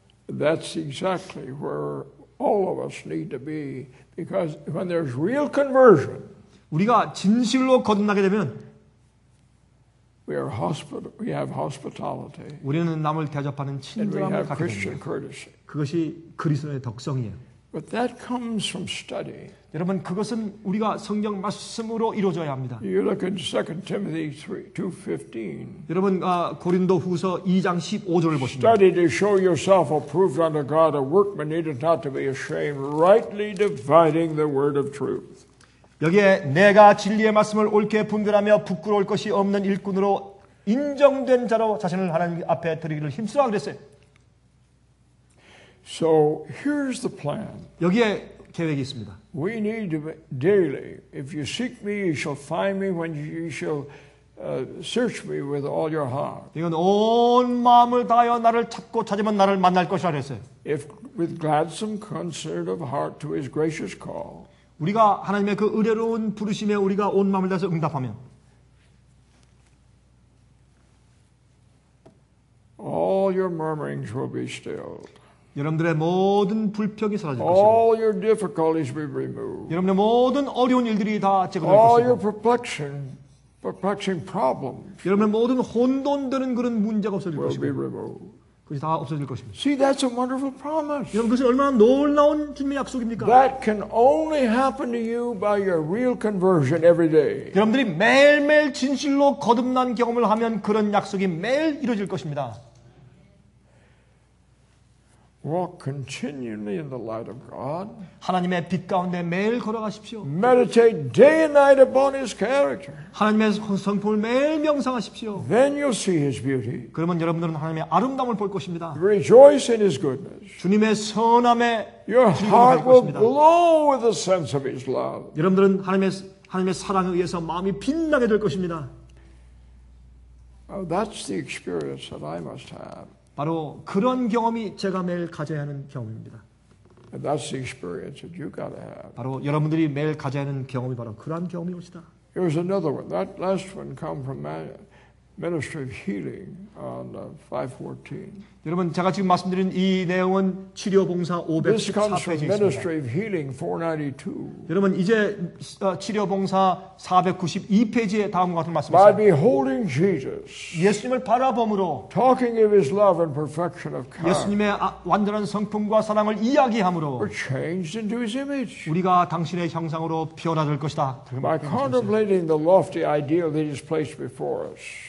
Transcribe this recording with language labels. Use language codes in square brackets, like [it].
[en] That's exactly where all of us need to be, because when there's real conversion, [ko] 우리가 진실로 거듭나게 되면, [en] we are hospital, we have hospitality. [ko] 우리는 남을 대접하는 친절함을 갖게 [en] Christian [ko] 됩니다. [en] Courtesy. [ko] 그것이 그리스도의 덕성이에요. [en] But that comes from study. [ko] 여러분, 그것은 우리가 성경 말씀으로 이루어져야 합니다. [en] You look in 2 Timothy 2:15. [ko] 여러분, 고린도후서 2장 15절을 보십니다. [en] Study to show yourself approved unto God, a workman needed not to be ashamed, rightly dividing the word of truth. [ko] 여기에 내가 진리의 말씀을 옳게 분별하며 부끄러울 것이 없는 일꾼으로 인정된 자로 자신을 하나님 앞에 드리기를 힘쓰라 그랬어요. [en] So here's the plan. [ko] 여기에 계획이 있습니다. [en] We need to be daily. If you seek me, you shall find me when you shall search me with all your heart. [ko] 이건 온 마음을 다하여 나를 찾고 찾으면 나를 만날 것이라 그랬어요. [en] If with gladsome concert of heart to his gracious call. [ko] 우리가 하나님의 그 의뢰로운 부르심에 우리가 온 마음을 다해서 응답하면 [en] All your murmurings will be stilled. [ko] 여러분들의 모든 불평이 사라질 [en] All [ko] 것이고 [en] your difficulties will be removed. [ko] 여러분의 모든 어려운 일들이 다 제거될 [en] All [ko] 것이고 [en] your perplexing problems [ko] 여러분의 모든 혼돈되는 그런 문제가 없어질 [en] will [ko] 것이고 [en] be removed. [ko] 그것이 다 없어질 것입니다. [en] See, that's a wonderful promise. [ko] 여러분, 그것이 얼마나 놀라운 주님의 약속입니까? [en] That can only happen to you by your real conversion every day. [ko] 여러분들이 매일매일 진실로 거듭난 경험을 하면 그런 약속이 매일 이루어질 것입니다. [en] Walk continually in the light of God. [ko] 하나님의 빛 가운데 매일 걸어가십시오. [en] Meditate day and night upon His character. [ko] 하나님의 성품을 매일 명상하십시오. [en] Then you'll see His beauty. [ko] 그러면 여러분들은 하나님의 아름다움을 볼 것입니다. [en] Rejoice in His goodness. [ko] 주님의 선함에 [en] Your heart will glow with a sense of His love. [ko] 여러분들은 하나님의 사랑에 의해서 마음이 빛나게 될 것입니다. [en] Oh, that's the experience that I must have. [ko] 바로 그런 경험이 제가 매일 가져야 하는 경험입니다. [en] That's the experience that you gotta have. [ko] 바로 여러분들이 매일 가져야 하는 경험이 바로 그러한 경험이 옵니다. [en] Here's another one. That last one come from ministry of healing on 5:14. [ko] 여러분 제가 지금 말씀드린 이 내용은 치료 봉사 514페이지입니다. [en] This comes from ministry of healing 492. [ko] 여러분 이제 치료 봉사 492페이지에 다음과 같은 말씀이 [en] By beholding Jesus. [ko] 예수님을 바라봄으로 [en] talking of his love and perfection of character. [ko] 예수님의 완전한 성품과 사랑을 이야기함으로 [en] we're changed into his image. [ko] 우리가 당신의 형상으로 변화될 것이다. [en] By contemplating the lofty ideal that is placed before us.